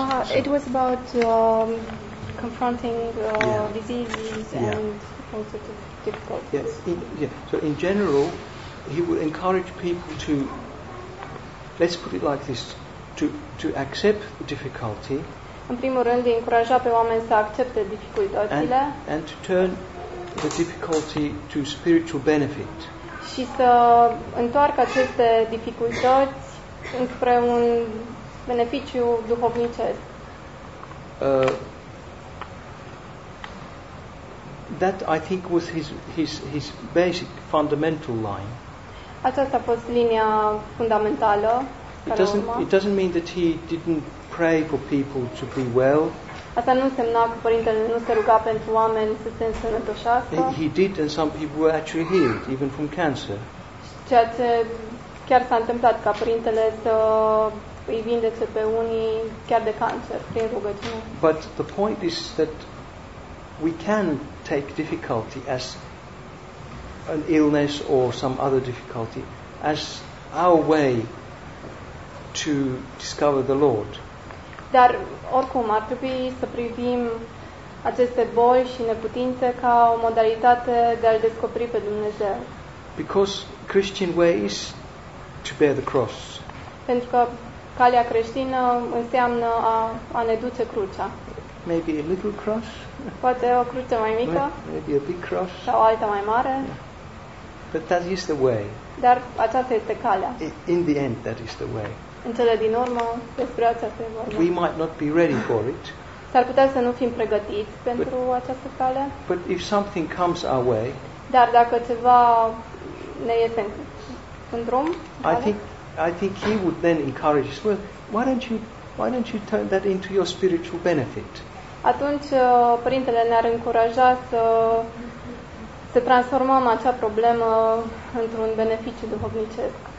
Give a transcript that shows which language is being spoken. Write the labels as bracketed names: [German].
[English] It was about confronting diseases and all sorts of difficulties. Yeah. So in general, he would encourage people to, let's put it like this, to accept the difficulty. [Romanian] În primul rând, îi încuraja pe oameni să accepte dificultățile. [English] And to turn the difficulty to spiritual benefit. [Romanian] Și să întoarcă aceste dificultăți înspre un beneficiu duhovnicesc. [English] That I think was his basic fundamental line. [Romanian] Aceasta a fost linia fundamentală. [English] It doesn't mean that he didn't pray for people to be well. [Romanian] Asta nu însemna că părintele nu se ruga pentru oameni să se însănătoșească. [English] He did, and some people were actually healed even from cancer. [Romanian] Ceea ce chiar s-a întâmplat ca părintele să îi vindece pe unii chiar de cancer prin rugăciune. [English] But the point is that we can take difficulty as an illness or some other difficulty as our way to discover the Lord. [Romanian] Dar oricum ar trebui să privim aceste boli și neputințe ca o modalitate de a-L descoperi pe Dumnezeu. [English] Because Christian ways to bear the cross. [Romanian] Pentru că calea creștină înseamnă a ne duce crucea. [English] Maybe a little cross. [Romanian] Poate o cruce mai mică. [English] Maybe a big cross. [Romanian] Sau alta mai mare. [English] But that is the way. [Romanian] Dar aceasta este calea. [English] In the end, that is the way. [Romanian] În cele din urmă, despre aceasta e vorba. [English] We might not be ready for it. [Romanian] S-ar putea să nu fim pregătiți pentru această cale. [English] But if something comes our way. [Romanian] Dar dacă ceva ne iese în drum, [English] I think he would then encourage us. Well, why don't you turn that into your spiritual benefit? [Romanian] Atunci părintele ne-ar încuraja să transformăm acea problemă într-un beneficiu duhovnicesc.